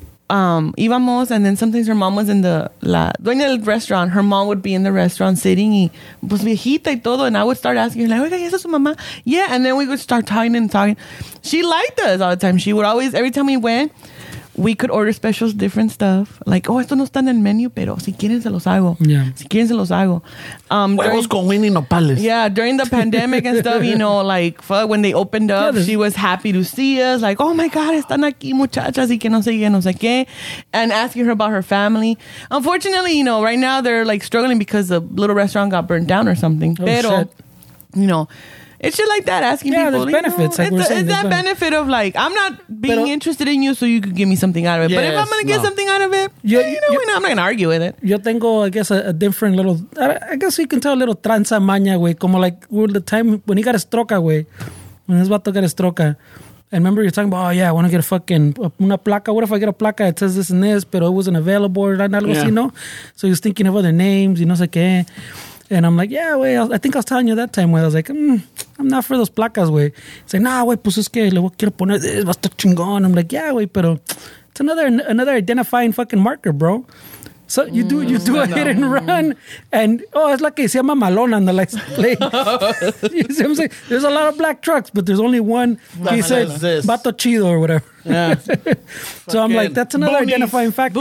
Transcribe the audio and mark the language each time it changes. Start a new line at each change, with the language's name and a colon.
Spanish: Íbamos,
English: and then sometimes her mom was in the restaurant. Her mom would be in the restaurant sitting,
Spanish: y pues viejita y todo.
English: And I would start asking, like,
Spanish: oiga, ¿esa es su mamá?
English: Yeah, and then we would start talking and talking. She liked us all the time. She would always, every time we went, we could order specials, different stuff. Like, oh,
Spanish: esto no está en el menu, pero si quieren se los hago.
English: Yeah.
Spanish: Si quieren se los hago. Huevos con Winnie Nopales.
English: Yeah, during the pandemic and stuff, you know, like, fuck, when they opened up, she was happy to see us. Like, oh my God,
Spanish: están aquí muchachas y que no sé qué, no sé qué.
English: And asking her about her family. Unfortunately, you know, right now they're like struggling because the little restaurant got burnt down or something. Oh, pero, shit. You know. It's shit like that, asking people. Yeah, there's benefits. You know, like it's that benefit of like, I'm not being interested in you so you could give me something out of it. Yes, but if I'm going to get something out of it, you know, I'm not going to argue with it.
Spanish: Yo tengo,
English: I guess, a different little, I guess you can tell a little tranza maña, güey. Como like, well, the time when he got his troca, güey. When his vato got his troca. And remember you're talking about, oh yeah, I want to get a fucking,
Spanish: una placa.
English: What if I get a placa that says this and this, pero it wasn't available or
Spanish: algo así, no?
English: So he was thinking of other names,
Spanish: y no sé qué.
English: And I'm like, yeah, güey, I think I was telling you that time, güey. I was like, I'm not for those placas, güey.
Spanish: He's like,
English: nah, güey,
Spanish: pues es que le voy a quiero poner, va a estar chingón.
English: I'm like, yeah, güey, pero it's another identifying fucking marker, bro. So you do a hit and run, and oh, it's like
Spanish: se llama Malona
English: on the license plate. You see what I'm saying? There's a lot of black trucks, but there's only one. He said, Bato Chido or whatever. Yeah. So I'm like, that's another identifying factor.